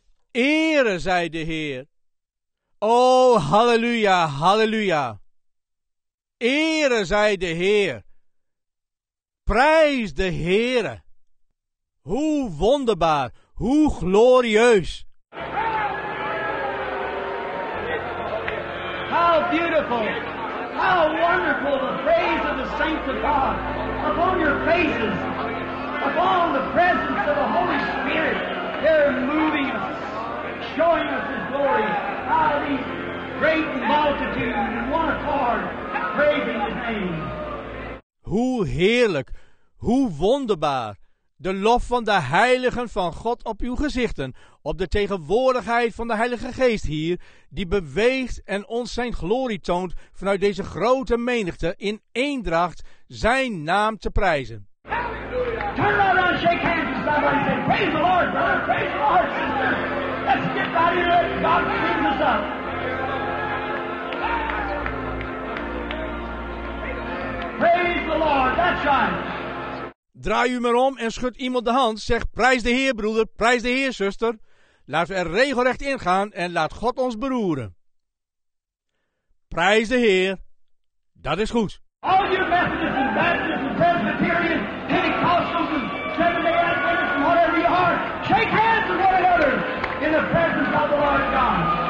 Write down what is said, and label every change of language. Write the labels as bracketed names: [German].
[Dutch] Ere zij de Heer. O, halleluja, halleluja. Ere zij de Heer. Prijs de Heere. Hoe wonderbaar, hoe glorieus. [English] How beautiful, how wonderful the praise of the saints of God upon your faces. Upon the presence of the Holy Spirit, they're moving us, showing us His glory. Out of these great multitudes in one accord, praising His name. [Dutch] Hoe heerlijk, hoe wonderbaar, de lof van de heiligen van God op uw gezichten, op de tegenwoordigheid van de Heilige Geest hier, die beweegt en ons zijn glorie toont vanuit deze grote menigte in eendracht zijn naam te prijzen. [English] Turn around and shake hands with somebody and say, praise the Lord, brother, praise the Lord, sister. Let's get right here and God clean us up. Praise the Lord, that's right. [Dutch] Draai u maar om en schud iemand de hand. Zeg, prijs de Heer, broeder, prijs de Heer, zuster. Laten we er regelrecht ingaan en laat God ons beroeren. Prijs de Heer, dat is goed. [English] All you Methodists and Baptists and Presbyterians, Pentecostals and Seventh-day Adventists and whatever you are, shake hands with one another in the presence of the Lord God.